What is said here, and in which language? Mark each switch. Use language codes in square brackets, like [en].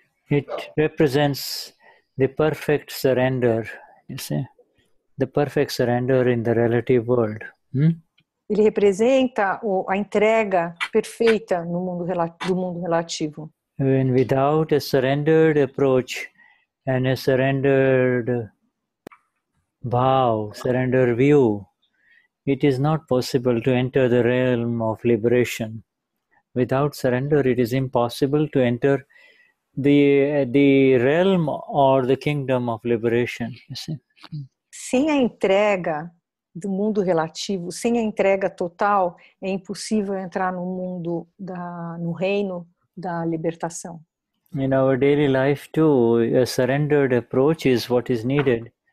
[en] It represents the perfect surrender, you see? The perfect surrender in the relative world. [pt] Ele representa a entrega perfeita no mundo do mundo relativo. [en] And without a surrendered approach and a surrendered bow, surrendered view, it is not possible to enter the realm of liberation. Without surrender, it is impossible to enter the realm or the kingdom of liberation. [pt] Sem a entrega do mundo relativo, sem a entrega total, é impossível entrar no mundo no reino da libertação. [en] In our daily life too, a surrendered approach is what is needed.